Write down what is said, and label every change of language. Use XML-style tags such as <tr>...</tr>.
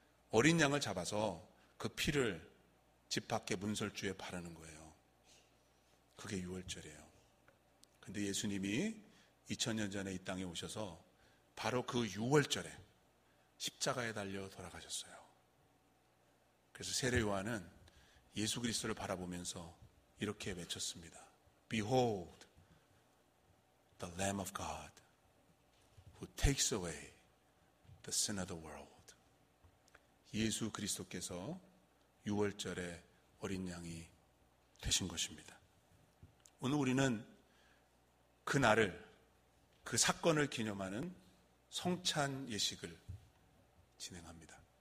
<ko>어린 양을 잡아서 그 피를 집 밖에 문설주에 바르는 거예요. 그게 유월절이에요. 근데 예수님이 2000년 전에 이 땅에 오셔서 바로 그 유월절에 십자가에 달려 돌아가셨어요. 그래서 세례 요한은 예수 그리스도를 바라보면서 이렇게 외쳤습니다.</ko> <en>Behold the Lamb of God who takes away the sin of the world.</en> <ko>예수 그리스도께서 유월절의 어린 양이 되신 것입니다. 오늘 우리는 그 날을, 그 사건을 기념하는 성찬 예식을 진행합니다.</ko>